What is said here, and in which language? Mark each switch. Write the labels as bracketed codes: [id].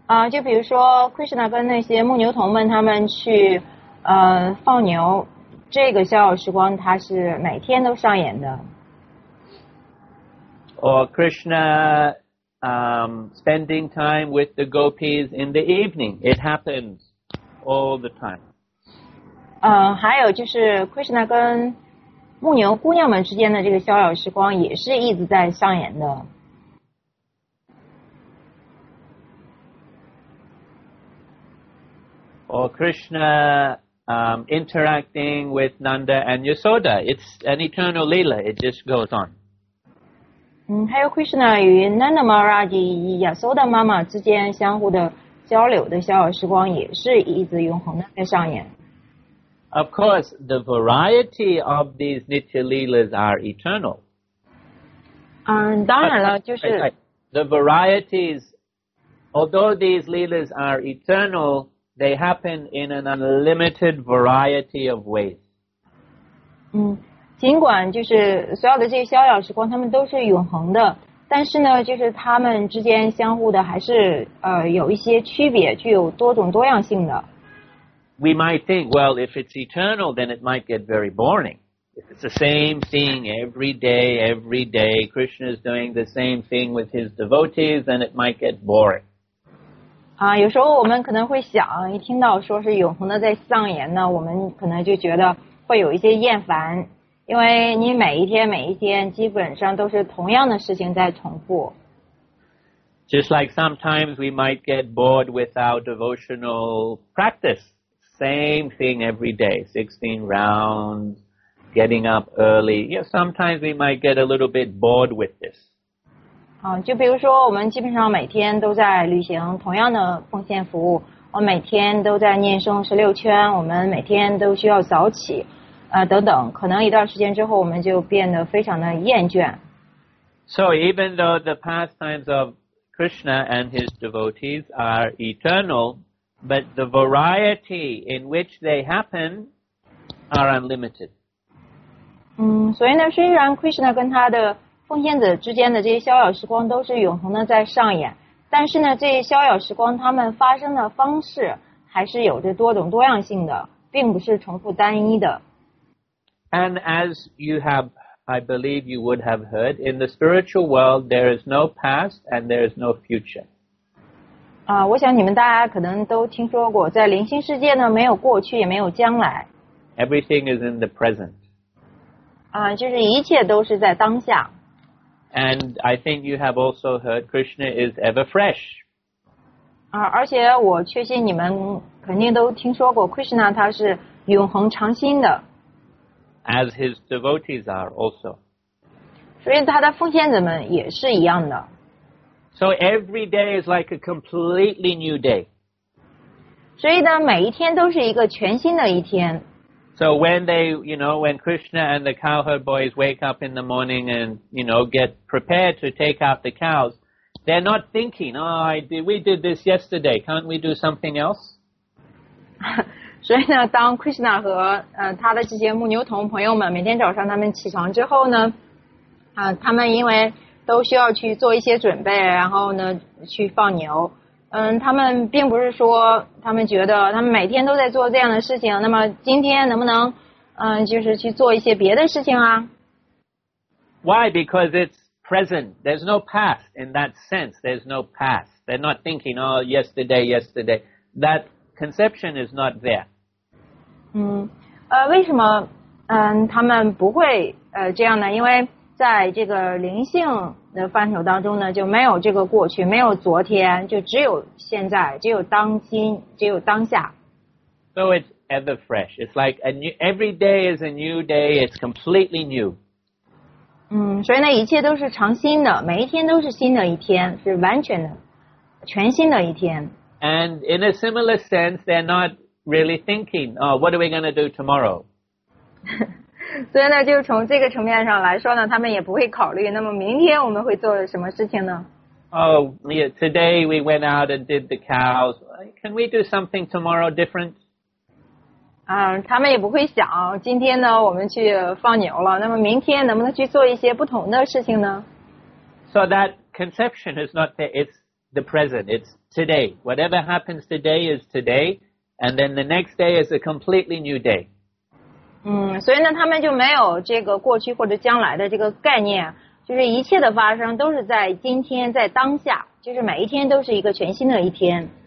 [zh] 就比如说 Krishna 跟那些牧牛童们他们去放牛，这个逍遥时光它是每天都上演的。 [en] Or Krishna. Spending time with the gopis in the evening. It happens all the time. [zh] 还有就是 Krishna 跟牧牛姑娘们之间的这个逍遥时光也是一直在上演的。 [en] Or Krishna interacting with Nanda and Yasoda. It's an eternal Leela. It just goes on. [zh] 还有 Krishna 与 Nanda Maharaj 与 Yasoda 妈妈之间相互的交流的逍遥时光也是一直永恒的在上演。 [en] Of course, the variety of these Nitya Leelas are eternal. [zh] 当然了，就是 [en] The varieties, although these Leelas are eternal, they happen in an unlimited variety of ways. [zh] 尽管就是所有的这些逍遥时光，他们都是永恒的，但是呢，就是他们之间相互的还是有一些区别，具有多种多样性的。 [en] We might think, well, if it's eternal, then it might get very boring. If it's the same thing every day, Krishna is doing the same thing with his devotees, then it might get boring. [zh] 有时候我们可能会想，一听到说是永恒的在上演呢，我们可能就觉得会有一些厌烦。因为你每一天每一天基本上都是同样的事情在重复。 [en] Just like sometimes we might get bored with our devotional practice. Same thing every day. 16 rounds, getting up early. Yeah, sometimes we might get a little bit bored with this. [zh] 就比如说我们基本上每天都在履行同样的奉献服务。我每天都在念诵16圈，我们每天都需要早起。等等，可能一段时间之后，我们就变得非常的厌倦。 [en] So even though the pastimes of Krishna and his devotees are eternal, but the variety in which they happen are unlimited. [zh] 所以呢，虽然 Krishna 跟他的奉献者之间的这些逍遥时光都是永恒的在上演，但是呢，这些逍遥时光他们发生的方式还是有着多种多样性的，并不是重复单一的。 [en] And as you have, I believe you would have heard, in the spiritual world, there is no past and there is no future. [zh] 我想你们大家可能都听说过，在灵性世界呢，没有过去，也没有将来。 [en] Everything is in the present. [zh] 就是一切都是在当下。 [en] And I think you have also heard Krishna is ever fresh. [zh] 而且我确信你们肯定都听说过 Krishna 他是永恒常新的。 [en] As his devotees are also. [zh] 所以他的奉献者们也是一样的。 [en] So every day is like a completely new day. [zh] 所以呢，每一天都是一个全新的一天。 [en] So when they, you know, when Krishna and the cowherd boys wake up in the morning and, you know, get prepared to take out the cows, they're not thinking, oh, we did this yesterday, can't we do something else? [zh] 所以呢，当 Krishna 和他的这些牧牛童朋友们每天早上他们起床之后呢，他们因为都需要去做一些准备，然后呢去放牛，他们并不是说他们觉得他们每天都在做这样的事情，那么今天能不能就是去做一些别的事情啊 [en] ？Why? Because it's present. There's no past in that sense. There's no past. They're not thinking, oh, yesterday, yesterday. That conception is not there. [zh] 为什么他们不会这样呢？因为在这个灵性的范畴当中呢，就没有这个过去，没有昨天，就只有现在，只有当今，只有当下。 [en] So it's ever fresh. It's like a new, every day is a new day. It's completely new. [zh] 所以呢，一切都是常新的，每一天都是新的一天，是完全的，全新的一天。 [en] And in a similar sense, they're not really thinking, oh, what are we going to do tomorrow? [zh] 所以呢，就从这个层面上来说呢，他们也不会考虑，那么明天我们会做什么事情呢？ [en] Oh, yeah, today we went out and did the cows. Can we do something tomorrow different? [zh] 他们也不会想，今天呢，我们去放牛了，那么明天能不能去做一些不同的事情呢？ [en] So that conception is not there. It's the present. It's today. Whatever happens today is today. And then the next day is a completely new day. [zh] 所以呢，他们就没有这个过去或者将来的这个概念，就是一切的发生都是在今天，在当下，就是每一天都是一个全新的一天。